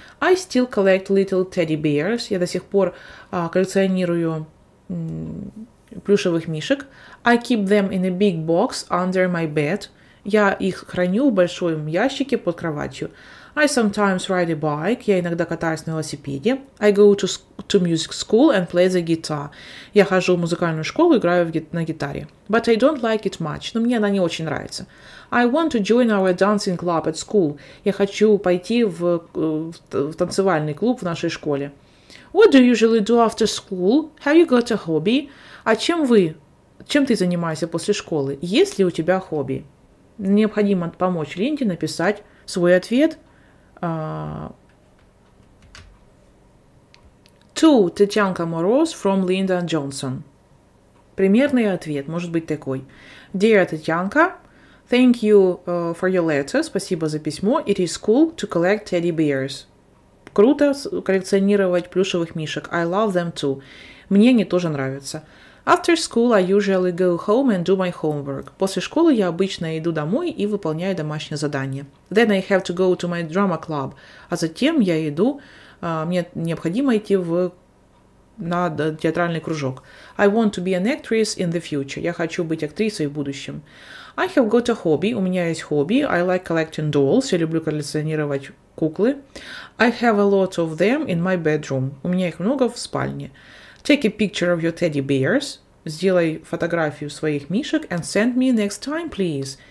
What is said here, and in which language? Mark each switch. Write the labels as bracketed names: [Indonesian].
[English] I still collect little teddy bears. [Russian] Я до сих пор коллекционирую плюшевых мишек. [English] I keep them in a big box under my bed. [Russian] Я их храню в большом ящике под кроватью. [English] I sometimes ride a bike. [Russian] Я иногда катаюсь на велосипеде. [English] I go to music school and play the guitar. [Russian] Я хожу в музыкальную школу, играю на гитаре. [English] But I don't like it much. [Russian] Но мне она не очень нравится. [English] I want to join our dancing club at school. [Russian] Я хочу пойти в танцевальный клуб в нашей школе. [English] What do you usually do after school? Have you got a hobby? [Russian] А чем ты занимаешься после школы? Есть ли у тебя хобби? Необходимо помочь Линде написать свой ответ. [English] To Tatyanka Moroz from Linda Johnson. [Russian] Примерный ответ может быть такой. [English] Dear Tatyanka, thank you for your letter. [Russian] Спасибо за письмо. [English] It is cool to collect teddy bears. [Russian] Круто коллекционировать плюшевых мишек. [English] I love them too. [Russian] Мне они тоже нравятся. [English] After school I usually go home and do my homework. [Russian] После школы я обычно иду домой и выполняю домашнее задание. [English] Then I have to go to my drama club. [Russian] А затем я иду, мне необходимо идти на театральный кружок. [English] I want to be an actress in the future. [Russian] Я хочу быть актрисой в будущем. [English] I have got a hobby. [Russian] У меня есть хобби. [English] I like collecting dolls. [Russian] Я люблю коллекционировать куклы. [English] I have a lot of them in my bedroom. [Russian] У меня их много в спальне. [English] Take a picture of your teddy bears. [Russian] Сделай фотографию своих мишек [English] and send me next time, please.